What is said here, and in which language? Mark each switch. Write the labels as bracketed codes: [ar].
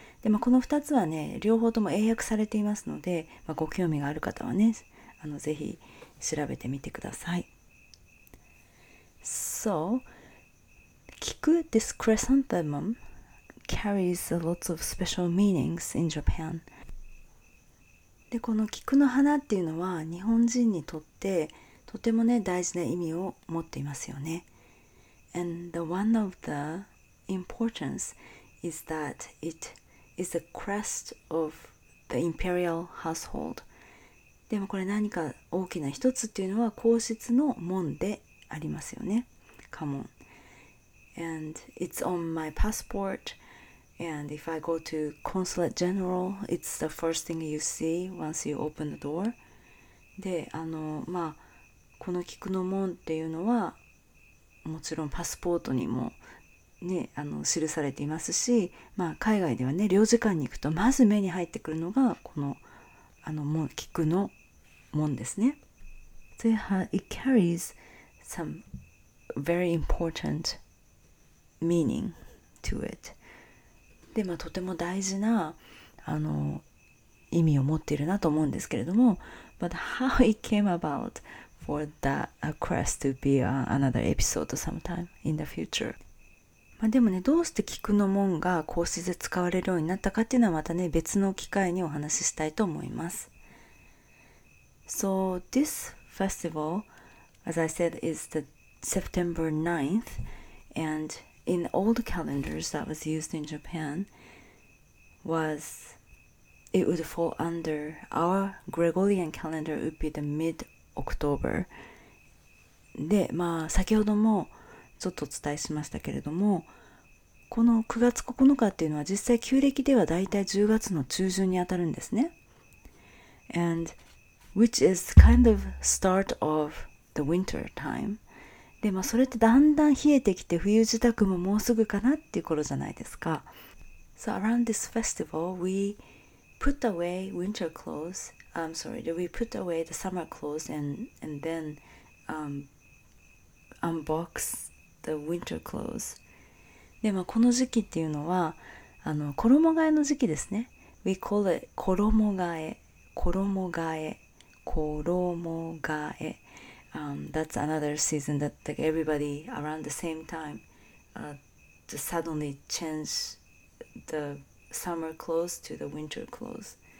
[ja] で、まあ、この2つはね、両方とも英訳されていますので、まあ、ご興味がある方はね、あの、ぜひ調べてみてください。 [en] So, Kiku, this chrysanthemum carries a lot of special meanings in Japan. [ja] で、この菊の花っていうのは日本人にとってとてもね大事な意味を持っていますよね。 [en] And the one of the importance is that it is a crest of the imperial household. [ja] でもこれ何か大きな一つっていうのは皇室の門でありますよね。 [en] Come on. And it's on my passport. And if I go to consulate general, it's the first thing you see once you open the door. [ja] で、あの、まあ、この菊の門っていうのは、もちろんパスポートにもね、あの記されていますし、まあ、海外ではね領事館に行くとまず目に入ってくるのがこの、 あの門、菊の門ですね。 [en] So it carries some very important meaning to it. [ja] で、まあ、とても大事なあの意味を持っているなと思うんですけれども、 [en] But how it came about for that crest to be another episode sometime in the future。 [ja] まあ、でもね、どうして菊の門が孔子で使われるようになったかっていうのはまたね別の機会にお話ししたいと思います。 [en] So this festival, as I said, is the September 9th, and in old calendars that was used in Japan, was it would fall under our Gregorian calendar would be the mid October. [ja] で、まあ先ほどもちょっとお伝えしましたけれども、この9月9日っていうのは実際旧暦ではだいたい10月の中旬にあたるんですね。 [en] And which is kind of start of the winter time. [ja] で、まあ、それってだんだん冷えてきて冬支度ももうすぐかなっていう頃じゃないですか。 [en] So around this festival we put away winter clothes, I'm sorry, we put away the summer clothes and then unbox the winter clothes. [ja] で、まあ、この時期っていうのはあの衣替えの時期ですね。 [en] We call it 衣替え、 [ja] 衣替え、衣替え、 [en] That's another season that like, everybody around the same time just suddenly change the summer clothes to the winter clothes。